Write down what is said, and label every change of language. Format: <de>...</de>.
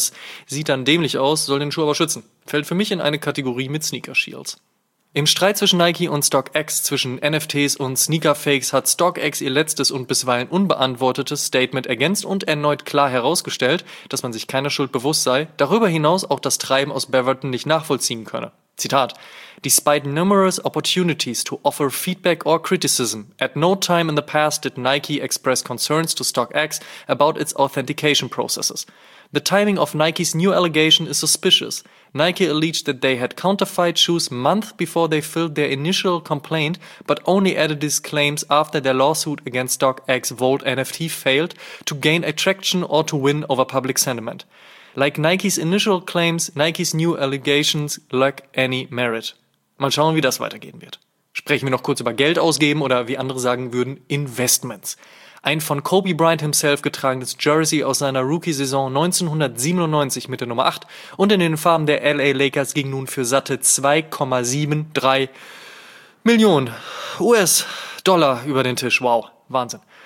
<de>Das sieht dann dämlich aus, soll den Schuh aber schützen. Fällt für mich in eine Kategorie mit Sneaker Shields. Im Streit zwischen Nike und StockX, zwischen NFTs und Sneakerfakes, hat StockX ihr letztes und bisweilen unbeantwortetes Statement ergänzt und erneut klar herausgestellt, dass man sich keiner Schuld bewusst sei, darüber hinaus auch das Treiben aus Beverton nicht nachvollziehen könne.</de> <en>Zitat: Despite numerous opportunities to offer feedback or criticism, at no time in the past did Nike express concerns to StockX about its authentication processes. The timing of Nike's new allegation is suspicious. Nike alleged that they had counterfeit shoes months before they filed their initial complaint, but only added these claims after their lawsuit against StockX Vault NFT failed to gain attraction or to win over public sentiment. Like Nike's initial claims, Nike's new allegations lack any merit.</en> <de>Mal schauen, wie das weitergehen wird. Sprechen wir noch kurz über Geld ausgeben oder wie andere sagen würden, Investments. Ein von Kobe Bryant himself getragenes Jersey aus seiner Rookie-Saison 1997 mit der Nummer 8 und in den Farben der LA Lakers ging nun für satte 2,73 Millionen US-Dollar über den Tisch. Wow, Wahnsinn.</de>